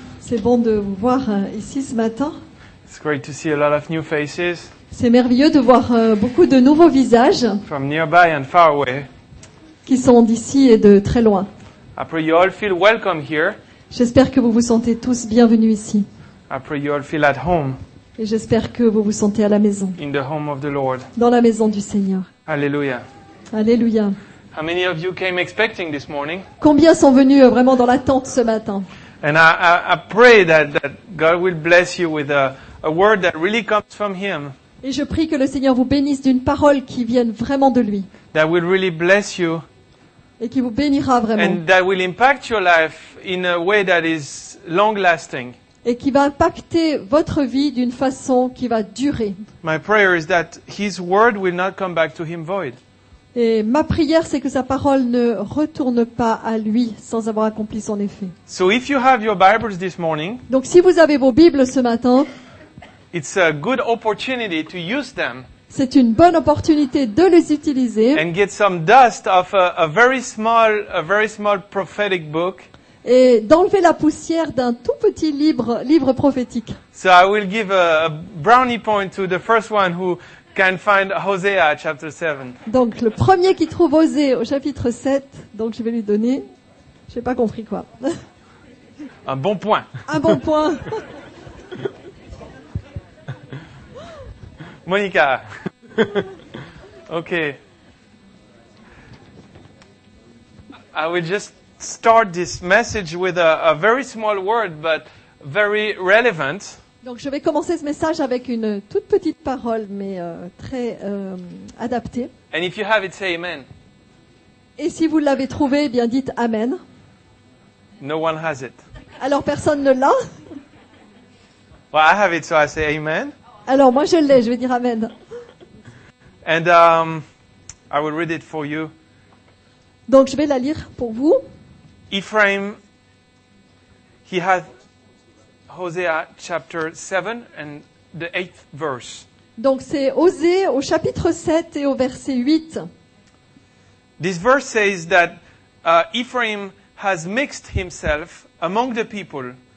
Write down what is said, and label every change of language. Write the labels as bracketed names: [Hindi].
[French] C'est bon de vous voir ici ce matin. [English] It's great to see a lot of new faces. [French] C'est merveilleux de voir beaucoup de nouveaux visages. [English] From nearby and far away. [French] Qui sont d'ici et de très loin. [English] I pray you all feel welcome here. [French] J'espère que vous vous sentez tous bienvenus ici. [English] I pray you all feel at home. [French] Et j'espère que vous vous sentez à la maison. [English] In the home of the Lord. [French] Dans la maison du Seigneur. Alléluia. Alléluia. [English] How many of you came expecting this morning? [French] Combien sont venus vraiment dans l'attente ce matin? [English] And I pray that God will bless you with a word that really comes from Him. [French] Et je prie que le Seigneur vous bénisse d'une parole qui vienne vraiment de Lui. [English] That will really bless you. [French] Et qui vous bénira vraiment. [English] And that will impact your life in a way that is long-lasting. [French] Et qui va impacter votre vie d'une façon qui va durer. [English] My prayer is that His word will not come back to Him void. [French] Et ma prière, c'est que sa parole ne retourne pas à lui sans avoir accompli son effet. [English] So if you have your Bibles this morning, [French] donc si vous avez vos Bibles ce matin, [English] it's a good opportunity to use them, [French] c'est une bonne opportunité de les utiliser [English] and get some dust off a very small prophetic book, [French] et d'enlever la poussière d'un tout petit livre prophétique. [English] So I will give a brownie point to the first one who can find Hosea chapter 7. [French] Donc le premier qui trouve Hosea au chapitre 7, donc je vais lui donner, je n'ai pas compris quoi. Un bon point. Un bon point. Monica. Ok. [English] I will just start this message with a very small word, but very relevant. [French] Donc je vais commencer ce message avec une toute petite parole, mais très adaptée. [English] And if you have it, say amen. [French] Et si vous l'avez trouvé, eh bien dites amen. [English] No one has it. [French] Alors personne ne l'a. [English] Well, I have it, so I say amen. [French] Alors moi je l'ai, je vais dire amen. [English] And I will read it for you. [French] Donc je vais la lire pour vous. [English] Ephraim, he has Hosea chapter 7 and the 8th verse. [French] Donc c'est Hosea au chapitre 7 et au verset 8. [English] This verse says that Ephraim has mixed himself among the people.